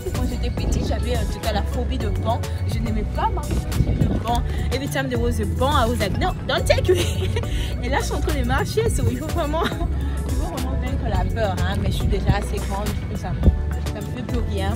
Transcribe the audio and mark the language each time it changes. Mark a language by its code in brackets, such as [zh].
[fr] J'étais petite, j'avais en tout cas la phobie de pont. Je n'aimais pas marcher sur le pont. [en] Every time there was a pont, I was like, no, don't take me. [fr] Et là, je suis en train de marcher, [en] so [fr] il faut vraiment vaincre la peur. Hein? Mais je suis déjà assez grande, du coup, ça me fait plus rien.